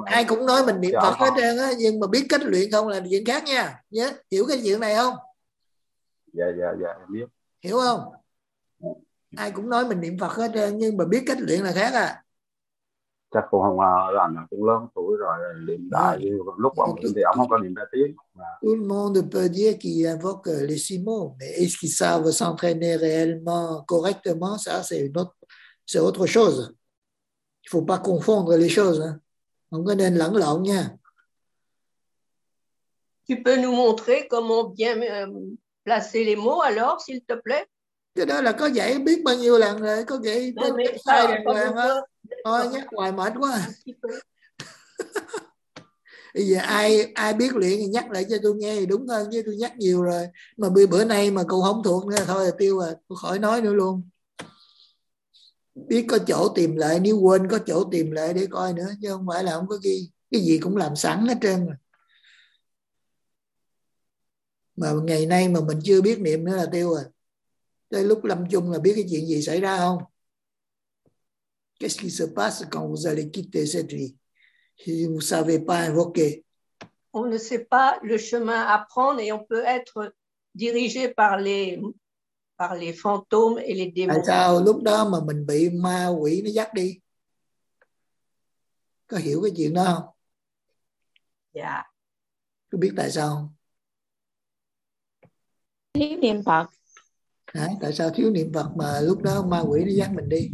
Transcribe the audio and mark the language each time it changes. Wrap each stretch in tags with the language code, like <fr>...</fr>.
<vi>Ai cũng nói mình niệm Phật hết trơn á, nhưng mà biết cách luyện không là chuyện khác nha. Nhớ, hiểu cái chuyện này không? Dạ em biết. Hiểu không? Ai cũng nói mình niệm Phật hết trơn, nhưng mà biết cách luyện là khác à. chắc cũng không à, anh cũng lớn tuổi rồi niệm đại à, lúc ông tu thì ông không có niệm đại tiếng.</vi> <fr>Tout le monde peut dire qu'il invoque les six mots, mais est-ce qu'ils savent s'entraîner réellement, correctement, ça c'est une autre, c'est autre chose. Il faut pas confondre les choses.</fr> <vi>Hein. Không có nên lẫn lộn nha.</vi> <fr>Tu peux nous montrer comment bien placer les mots alors, s'il te plaît?</fr> <vi>Cái đó là có dạy biết bao nhiêu lần rồi, có dạy trên website lần rồi. Thôi nhắc hoài mệt quá. Bây giờ ai biết luyện thì nhắc lại cho tôi nghe thì đúng hơn, chứ tôi nhắc nhiều rồi. Mà bữa nay mà cậu không thuộc nữa thôi là tiêu rồi, tôi khỏi nói nữa luôn. Biết có chỗ tìm lại, nếu quên có chỗ tìm lại để coi nữa, chứ không phải là không có ghi. Cái gì cũng làm sẵn hết trơn rồi. Mà ngày nay mà mình chưa biết niệm nữa là tiêu rồi. Tới lúc lâm chung là biết cái chuyện gì xảy ra không?</vi> <fr>Qu'est-ce qui se passe quand vous allez quitter cette vie? Si vous ne savez pas invoquer. On ne sait pas le chemin à prendre et on peut être dirigé par les fantômes et les démons.</fr> <vi>Tại sao lúc đó mà mình bị ma quỷ nó dắt đi? Có hiểu cái chuyện đó không? Dạ. Có biết tại sao không? Thiếu niệm Phật. À, tại sao thiếu niệm Phật mà lúc đó ma quỷ nó dắt mình đi?</vi>